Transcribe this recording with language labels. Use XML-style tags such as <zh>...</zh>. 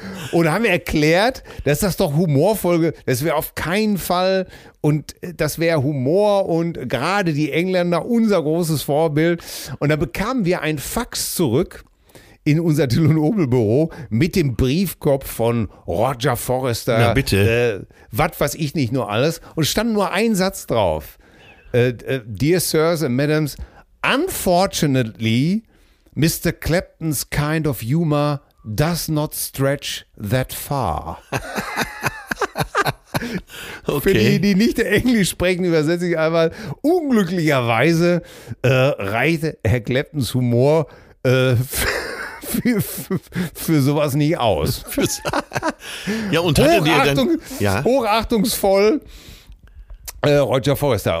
<de>Und haben erklärt, dass das doch Humorfolge, das wäre auf keinen Fall und das wäre Humor und gerade die Engländer unser großes Vorbild. Und dann bekamen wir ein Fax zurück in unser Till und Obel Büro mit dem Briefkopf von Roger Forrester. Na bitte. Was weiß ich nicht nur alles. Und stand nur ein Satz drauf.</de> <en>Dear Sirs and Madams, unfortunately, Mr. Clapton's kind of humor does not stretch that far. Okay.</en> <de>Für die nicht Englisch sprechen, übersetze ich einmal. Unglücklicherweise reicht Herr Claptons Humor für sowas nicht aus. Ja, und hat er dir dann, ja? Hochachtungsvoll. Roger Forrester.</de>